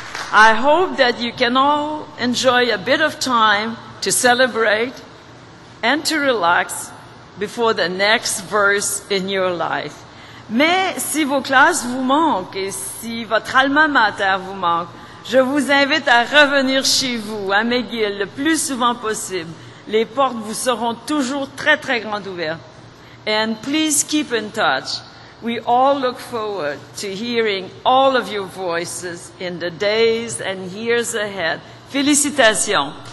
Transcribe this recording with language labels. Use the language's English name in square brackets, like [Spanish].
[English] I hope that you can all enjoy a bit of time to celebrate and to relax before the next verse in your life. [French] Mais si vos classes vous manquent et si votre alma mater vous manque, je vous invite à revenir chez vous, à McGill, le plus souvent possible. Les portes vous seront toujours très, très grandes ouvertes. [English] And please keep in touch. We all look forward to hearing all of your voices in the days and years ahead. [French] Félicitations.